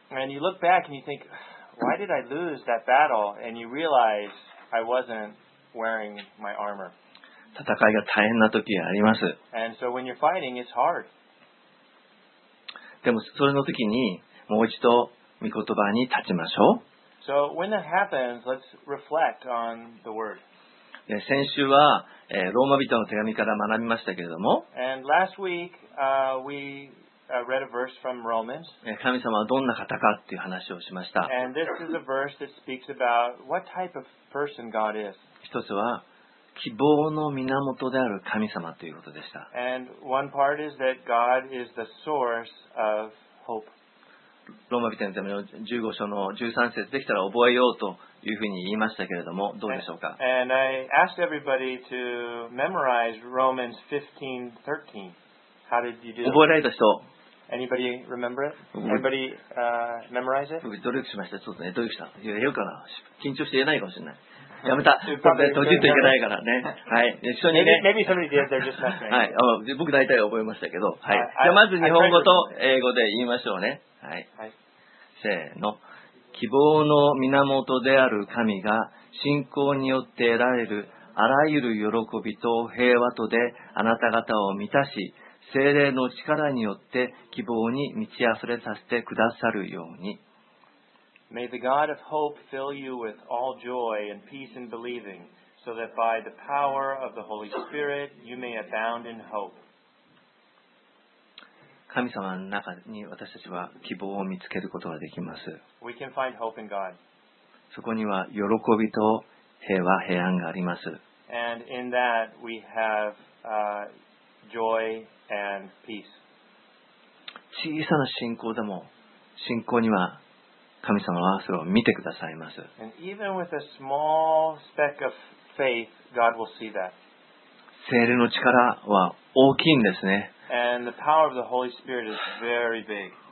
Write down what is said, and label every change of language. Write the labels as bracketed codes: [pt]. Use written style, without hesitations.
[en] And you look back and you think, why did I lose that battle? And you realize I wasn't wearing my armor. [ja] 戦いが大変な時があります。 [en] And so when you're fighting, it's hard. [ja] でもそれの時にもう一度御言葉に立ちましょう。 [en] So when that happens, let's reflect on the word. [ja] 先週は、ローマ人の手紙から学びましたけれども、 [en] And last week, we read a verse from Romans. [ja] 神様はどんな方かっていう話をしました。 [en] And this is a verse that speaks about what type of person God is. [ja] 一つは希望の源である神様ということでした。 [en] And one part is that God is the source of hope. [ja] ローマ人の手紙の15章の13節できたら覚えようというふうに言いましたけれどもどうでしょうか。 [en] And I asked everybody to memorize Romans 15:13. How did you do? [ja] 覚えられた人 [en] Anybody remember it? Anybody memorize it? [ja] 努力しました。ちょっとね、努力した。言えるかな。緊張して言えないかもしれない。やめた。これ閉じていけないからね。はい。一緒にね。 [en] Maybe somebody did. They're just messing with you. [ja] はい。僕大体覚えましたけど。はい。じゃあまず日本語と英語で言いましょうね。はい。はい、せーの。希望の源である神が信仰によって得られるあらゆる喜びと平和とであなた方を満たし、聖霊の力によって希望に満ち溢れさせてくださるように。 [en] May the God of hope fill you with all joy and peace in believing, so that by the power of the Holy Spirit you may abound in hope. [ja] 神様の中に私たちは希望を見つけることができます。 [en] We can find hope in God. [ja] そこには喜びと平和、平安があります。 [en] And in that we have, joy and peace. [ja] 小さな信仰でも信仰には神様はそれを見てくださいます。 [en] And even with a small speck of faith, God will see that. [ja] 聖霊の力は大きいんですね。 [en] And the power of the Holy Spirit is very big.